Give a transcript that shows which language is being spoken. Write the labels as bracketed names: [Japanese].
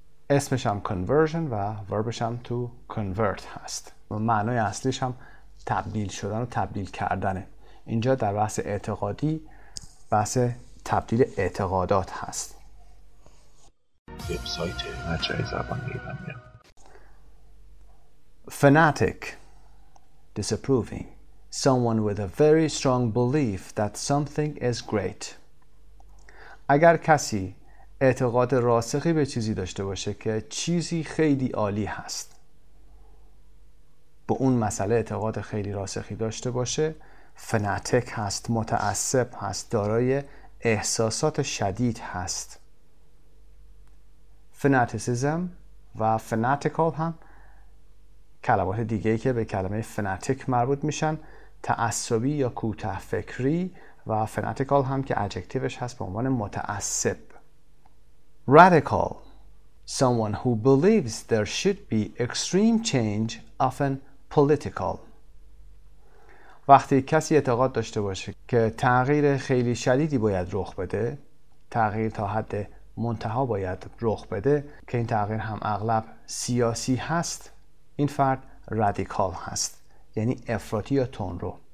[Persian] اسمش هم conversion و verbش هم to convert هست و معنای اصلیش هم تبدیل شدن و تبدیل کردنه. اینجا در بحث اعتقادی بحث تبدیل اعتقادات هست. وبسایت مرجع زبان ایرانی. [English] Fanatic, disapproving, someone with a very strong belief that something is great. [Persian] اگر کسی اعتقاد راسخی به چیزی داشته باشه که چیزی خیلی عالی هست، به اون مسئله اعتقاد خیلی راسخی داشته باشه، fanatic هست، متعصب هست، دارای احساسات شدید هست. فناتیسیزم و فناتیکال هم کلمات دیگه‌ای که به کلمه فناتیک مربوط میشن، تعصبی یا کوتاه فکری، و فناتیکال هم که ادجکتیوش هست به عنوان متعصب. [English] Radical, someone who believes there should be extreme change, often political. [Persian] وقتی کسی اعتقاد داشته باشه که تغییر خیلی شدیدی باید رخ بده، تغییر تا حد منتها باید رخ بده، که این تغییر هم اغلب سیاسی هست، این فرد رادیکال هست، یعنی افراطی یا تندرو.